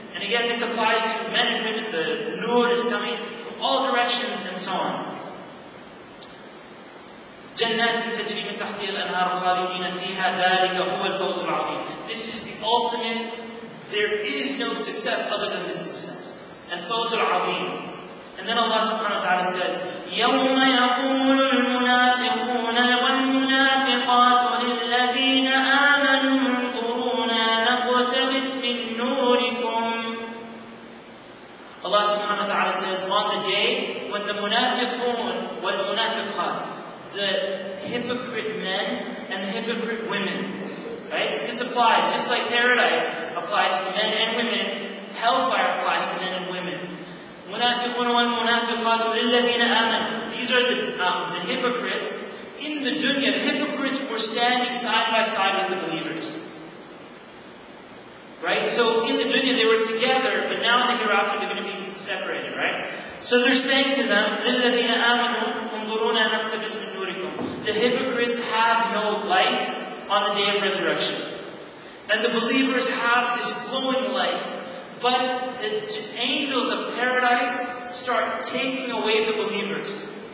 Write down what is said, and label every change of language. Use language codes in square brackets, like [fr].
[en] And again, this applies to men and women. The nur is coming from all directions and so on. [ar] جَنَّاتِ تَجْرِي مِنْ تَحْتِيَ الْأَنْهَارُ خَالِدِينَ فِيهَا ذَلِكَ هُوَ الْفَوْزُ الْعَظِيمُ. [en] This is the ultimate. There is no success other than this success. [ar] And فَوْزُ الْعَظِيمُ. [en] And then Allah subhanahu wa ta'ala says, [ar] يَوْمَ يَقُولُ الْمُنَافِقُونَ وَالْمُنَافِقَاتُ لِلَّذِينَ آمَنُوا انْظُرُونَا نَقْتَبِسْ مِنْ نُورِكُمْ. [en] Allah subhanahu wa ta'ala says, on the day when the [ar] munafiqun wal munafiqat, [en] the hypocrite men and the hypocrite women, right? So this applies, just like paradise applies to men and women, hellfire applies to men and women. [ar] مُنَافِقُونَ وَالْمُنَافِقَاتُ لِلَّذِينَ آمَنُوا. [en] These are the hypocrites. In the dunya, the hypocrites were standing side by side with the believers. Right? So in the dunya, they were together, but now in the hereafter, they're going to be separated, right? So they're saying to them, [ar] لِلَّذِينَ آمَنُوا انظُرُونَا نَقْتَبِسْ مِنْ نُورِكُمْ. [en] The hypocrites have no light on the day of resurrection. And the believers have this glowing light. But the angels of paradise start taking away the believers.